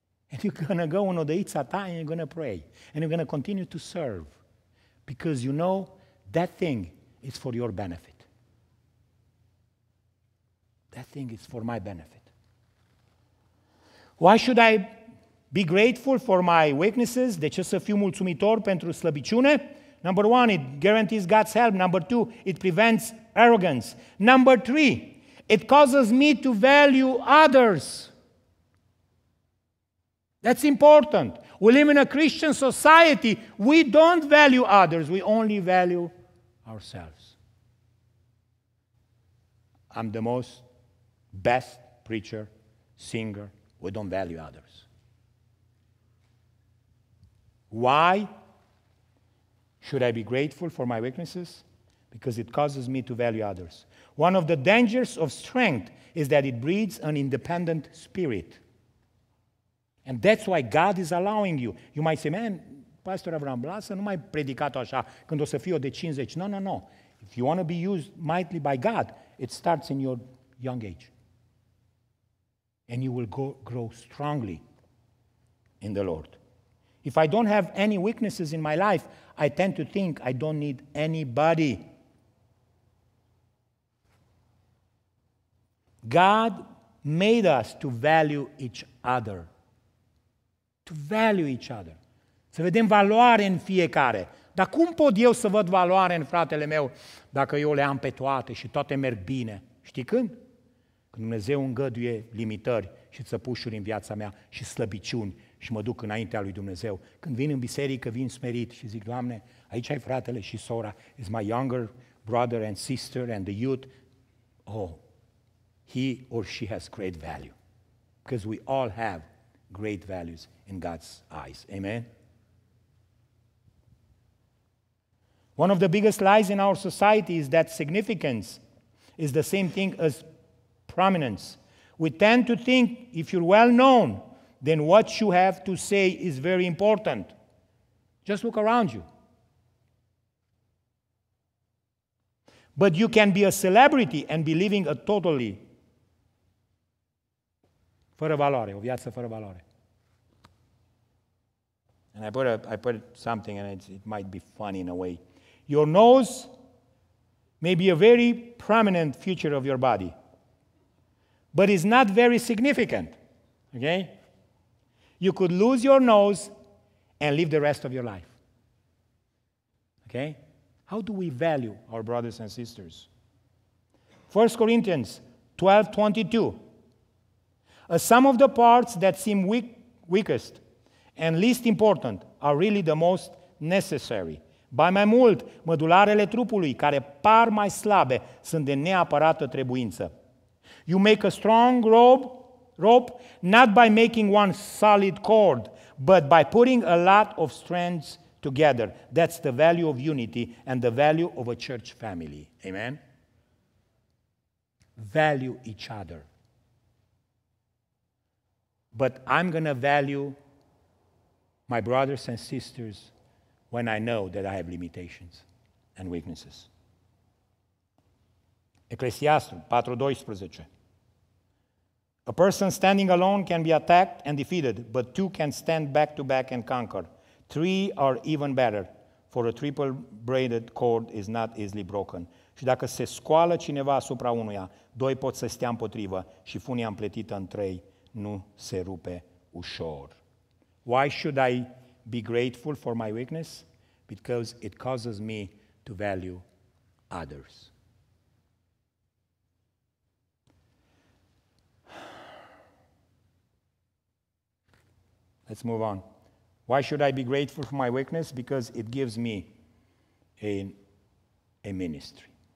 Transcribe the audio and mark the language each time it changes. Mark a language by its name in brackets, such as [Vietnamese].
[English] And you're going to go on the Itza time, and you're going to pray. And you're going to continue to serve. Because you know that thing is for your benefit. That thing is for my benefit. Why should I be grateful for my weaknesses? [Romanian] De ce să fiu mulțumitor pentru slăbiciune? [English] Number one, it guarantees God's help. Number two, it prevents arrogance. Number three, it causes me to value others. That's important. We live in a Christian society. We don't value others. We only value ourselves. I'm the most best preacher, singer. We don't value others. Why should I be grateful for my weaknesses? Because it causes me to value others. One of the dangers of strength is that it breeds an independent spirit. And that's why God is allowing you. You might say, man, [Romanian] Pastor Avram, lasă, nu mai predicat așa, când o să fiu de 50. [English] No, no, no. If you want to be used mightily by God, it starts in your young age. And you will grow strongly in the Lord. If I don't have any weaknesses in my life, I tend to think I don't need anybody. God made us to value each other. To value each other. [Romanian] Să vedem valoare în fiecare. Dar cum pot eu să văd valoare în fratele meu dacă eu le am pe toate și toate merg bine? Știi când? Când Dumnezeu îngăduie limitări și țăpușuri în viața mea și slăbiciuni și mă duc înaintea lui Dumnezeu. Când vin în biserică, vin smerit și zic, Doamne, aici ai fratele și sora. [English] It's my younger brother and sister and the youth. Oh, he or she has great value. Because we all have great values in God's eyes. Amen? One of the biggest lies in our society is that significance is the same thing as prominence. We tend to think if you're well known, then what you have to say is very important. Just look around you. But you can be a celebrity and be living a totally [Romanian] fără valoare, o viață fără valoare. [English] And I put something and it might be funny in a way. Your nose may be a very prominent feature of your body, but it's not very significant, okay? You could lose your nose and live the rest of your life, okay? How do we value our brothers and sisters? 1 Corinthians 12:22. A sum of the parts that seem weakest and least important are really the most necessary. [Romanian] Ba mai mult, mădularele trupului, care par mai slabe, sunt de neapărată trebuință. [English] You make a strong rope not by making one solid cord, but by putting a lot of strands together. That's the value of unity and the value of a church family. Amen? Value each other. But I'm going to value my brothers and sisters when I know that I have limitations and weaknesses. Ecclesiastes 4:12. A person standing alone can be attacked and defeated, but two can stand back to back and conquer. Three are even better, for a triple braided cord is not easily broken. [Romanian] Și dacă se scoală cineva asupra unuia, doi pot să stea împotrivă și funia împletită în trei nu se rupe ușor. [English] Why should I be grateful for my weakness? Because it causes me to value others. Let's move on. Why should I be grateful for my weakness? Because it gives me a ministry.